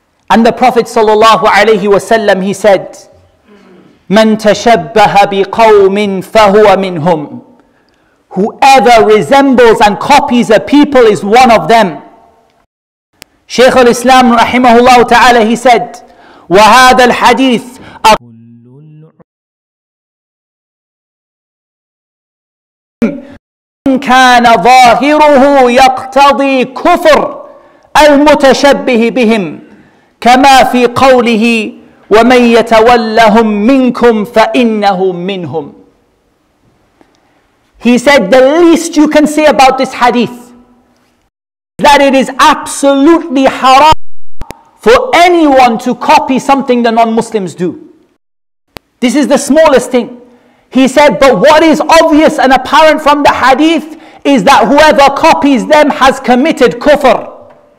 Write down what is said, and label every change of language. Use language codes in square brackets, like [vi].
[en] And the Prophet sallallahu alayhi wasallam, he said, [ar] مَنْ تَشَبَّهَ بِقَوْمٍ فَهُوَ مِنْهُمْ. [en] Whoever resembles and copies a people is one of them. Shaykh al-Islam rahimahullah ta'ala, he said, [ar] وَهَذَا الْحَدِيثِ مَنْ كَانَ ظَاهِرُهُ يَقْتَضِي كُفْرَ الْمُتَشَبِّهِ بِهِمْ كَمَا فِي قَوْلِهِ وَمَنْ يَتَوَلَّهُمْ مِنْكُمْ فَإِنَّهُ مِنْهُمْ. [en] He said the least you can say about this hadith that it is absolutely haram for anyone to copy something the non-Muslims do. This is the smallest thing. He said, but what is obvious and apparent from the hadith is that whoever copies them has committed kufr.